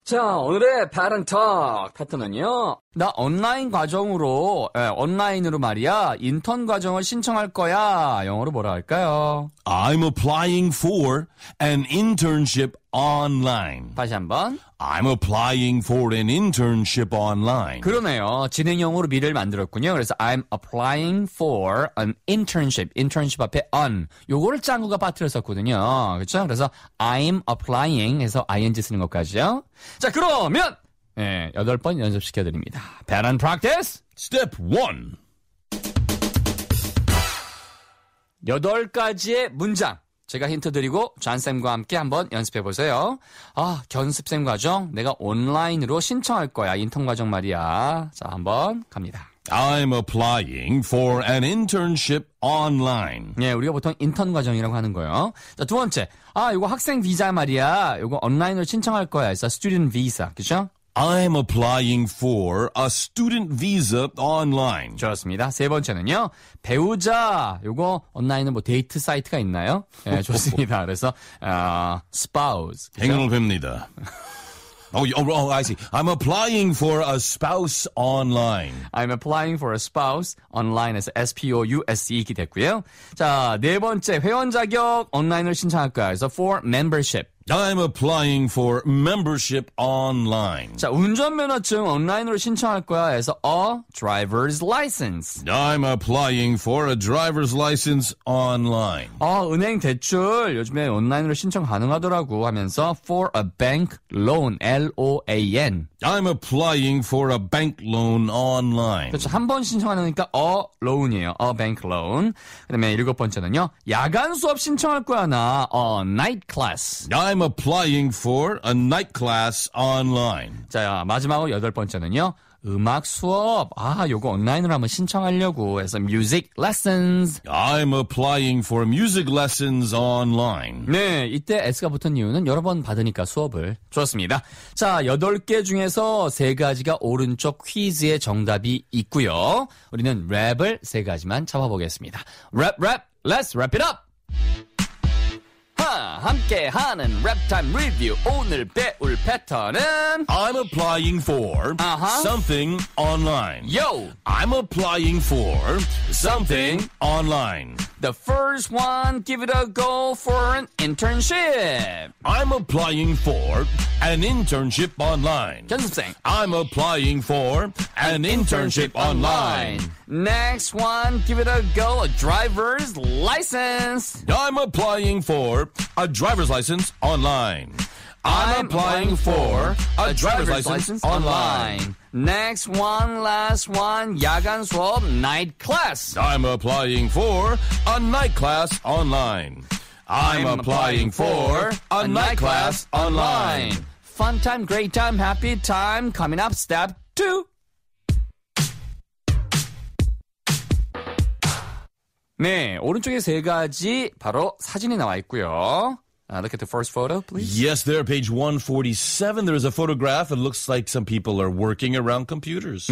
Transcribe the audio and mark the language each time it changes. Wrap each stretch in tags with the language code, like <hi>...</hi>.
<ko>자, 오늘의 Parent Talk 패턴은요. 나 온라인 과정으로, 온라인으로 말이야. 인턴 과정을 신청할 거야. 영어로 뭐라 할까요?</ko> <en>I'm applying for an internship online.</en> <ko>다시 한번. I'm applying for an internship online. 그러네요. 진행형으로 미래를 만들었군요. 그래서</ko> <en>I'm applying for an internship.</en> <ko>internship 앞에 on. 요거를 짱구가 빠뜨렸었거든요. 그렇죠? 그래서</ko> <en>I'm applying</en> <ko>해서 ing 쓰는 것까지요. 자, 그러면 예, 네, 8번 연습시켜 드립니다.</ko> <en>Pattern practice. Step 1.</en> <ko>8가지의 문장. 제가 힌트 드리고 존쌤과 함께 한번 연습해 보세요. 아, 견습생 과정. 내가 온라인으로 신청할 거야. 인턴 과정 말이야. 자, 한번 갑니다.</ko> <en>I'm applying for an internship online.</en> <ko>예, 우리가 보통 인턴 과정이라고 하는 거예요. 자, 두 번째. 아, 이거 학생 비자 말이야. 이거 온라인으로 신청할 거야. 그래서 student visa. 그렇죠?</ko> <en>I'm applying for a student visa online.</en> <ko>좋습니다. 세 번째는요. 배우자. 요거 온라인은 뭐 데이트 사이트가 있나요? 예, 네, 좋습니다. 그래서 spouse. 행운입니다.</ko> <en>Oh, I see. I'm applying for a spouse online. I'm applying for a spouse online.</en> <ko>S-P-O-U-S-E이 됐고요. 자, 네 번째. 회원 자격 온라인을 신청할 거야. 그래서 for membership.</ko> <en>I'm applying for membership online.</en> <ko>자, 운전면허증 온라인으로 신청할 거야. 그래서 a driver's license.</ko> <en>I'm applying for a driver's license online.</en> <ko>아, 은행 대출 요즘에 온라인으로 신청 가능하더라고 하면서</ko> <en>for a bank loan,</en> <ko>L-O-A-N.</ko> <en>I'm applying for a bank loan online.</en> <ko>그렇죠. 한 번 신청하니까 a loan이에요.</ko> <en>a bank loan.</en> <ko>그 다음에 일곱 번째는요. 야간 수업 신청할 거야, 나. a night class.</ko> <en>I'm applying for a night class online.</en> <ko>자, 마지막으로 여덟 번째는요. 음악 수업. 아, 요거 온라인으로 한번 신청하려고 해서</ko> <en>music lessons. I'm applying for music lessons online.</en> <ko>네, 이때 S가 붙은 이유는 여러 번 받으니까 수업을. 좋습니다. 자, 여덟 개 중에서 세 가지가 오른쪽 퀴즈의 정답이 있고요. 우리는 랩을 세 가지만 잡아보겠습니다.</ko> <en>Rap, rap, let's wrap it up!</en> <ko>함께하는 랩타임 리뷰</ko> <en>오늘 배울 패턴은 I'm applying for something online. Yo! I'm applying for something online. The first one, give it a go for an internship. I'm applying for an internship online.</en> <ko>견습생.</ko> <en>I'm applying for an internship online. Next one, give it a go, a driver's license. I'm applying for a driver's license online. I'm applying for a driver's license online. Next one, last one,</en> <ko>야간 수업,</ko> <en>night class. I'm applying for a night class online. I'm applying for a night class online. Fun time, great time, happy time, coming up, step two.</en> <ko>네, 오른쪽에 세 가지 바로 사진이 나와 있고요.</ko> <en>Look at the first photo, please. Yes, there, page 147. There is a photograph. It looks like some people are working around computers.</en>